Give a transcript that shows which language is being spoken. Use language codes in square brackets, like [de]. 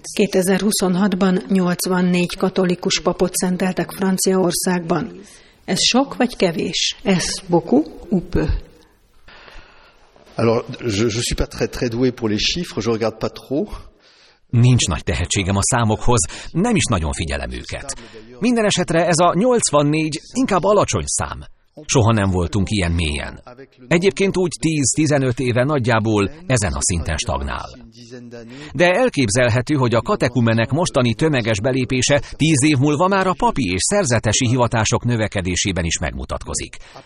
[hu] 2026-ban 84 katolikus papot szenteltek Franciaországban. Ez sok vagy kevés? Ez [fr] beaucoup ou peu? Alors, je suis pas très doué pour les chiffres, je regarde pas trop. [hu] Nincs nagy tehetségem a számokhoz, nem is nagyon figyelem őket. Minden esetre ez a 84 inkább alacsony szám. Soha nem voltunk ilyen mélyen. Egyébként úgy 10-15 éve nagyjából ezen a szinten stagnál. De elképzelhető, hogy a katekumenek mostani tömeges belépése 10 év múlva már a papi és szerzetesi hivatások növekedésében is megmutatkozik.